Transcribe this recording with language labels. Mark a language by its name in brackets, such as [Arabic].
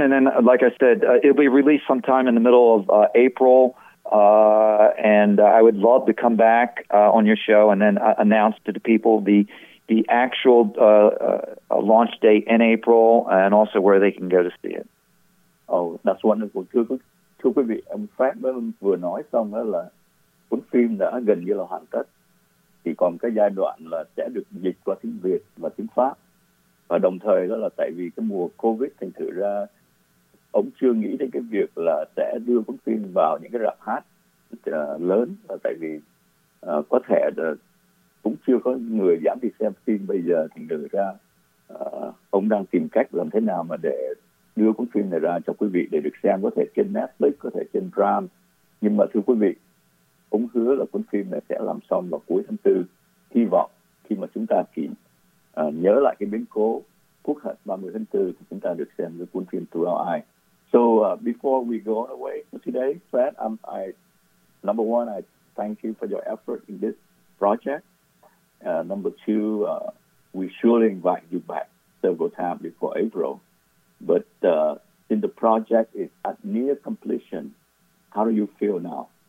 [English] And then, like I said, it'll be released sometime in the middle of April. I would love to come back on your show and then announce to the people the actual launch date in April, and also where they can go to see it. Oh, that's wonderful. [Vietnamese] Thưa quý vị, Fred vừa nói xong đó là cuốn phim đã gần như là hoàn tất, chỉ còn cái giai đoạn là sẽ được dịch qua tiếng Việt và tiếng Pháp, và đồng thời đó là tại vì cái mùa COVID thành thử ra ông chưa nghĩ đến cái việc là sẽ đưa cuốn phim vào những cái rạp hát lớn, là tại vì có thể cũng chưa có người dám đi xem phim bây giờ, thì đưa ra ông đang tìm cách làm thế nào mà để đưa cuốn phim này ra cho quý vị để được xem, có thể trên Netflix, có thể trên Prime. Nhưng mà thưa quý vị, ông hứa là cuốn phim này sẽ làm xong vào cuối tháng 4. Hy vọng khi mà chúng ta kỷ nhớ lại cái biến cố Quốc hận 30 tháng 4 thì chúng ta được xem cái cuốn phim Through Our Eyes. [English] So before we go away for today, Fred, I thank you for your effort in this project. Number two, we surely invite you back several times before April. But since the project is at near completion, how do you feel now?